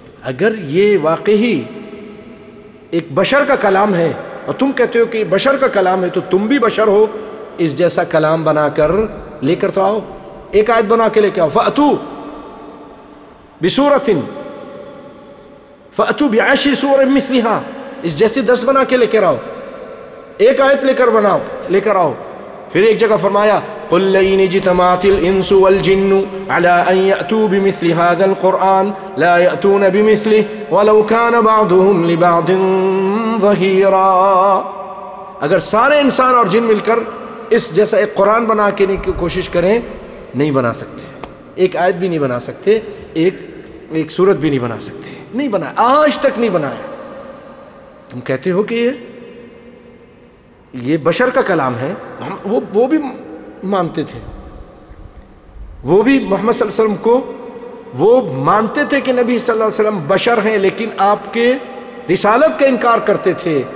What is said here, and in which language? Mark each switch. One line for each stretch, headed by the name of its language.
Urdu: اگر یہ واقعی ایک بشر کا کلام ہے اور تم کہتے ہو کہ بشر کا کلام ہے, تو تم بھی بشر ہو, اس جیسا کلام بنا کر لے کر تو آؤ, ایک آیت بنا کے لے کے آؤ.
Arabic: فأتوا بسورة فأتوا بعشر سور مثلها,
Urdu: اس جیسے دس بنا کے لے کر آؤ, ایک آیت لے کر بناؤ, لے کر آؤ. پھر ایک جگہ فرمایا
Arabic: قل لئن اجتمعت الانس والجن على ان یأتوا بمثل هذا القرآن لا یأتون بمثله ولو كان بعضهم لبعض ظهیرا.
Urdu: اگر سارے انسان اور جن مل کر اس جیسا ایک قرآن بنا کے نہیں کوشش کریں, نہیں بنا سکتے, ایک آیت بھی نہیں بنا سکتے, ایک سورت بھی نہیں بنا سکتے, نہیں بنا, آج تک نہیں بنایا. تم کہتے ہو کہ یہ بشر کا کلام ہے, وہ بھی مانتے تھے, وہ بھی محمد صلی اللہ علیہ وسلم کو وہ مانتے تھے کہ نبی صلی اللہ علیہ وسلم بشر ہیں, لیکن آپ کے رسالت کا انکار کرتے تھے.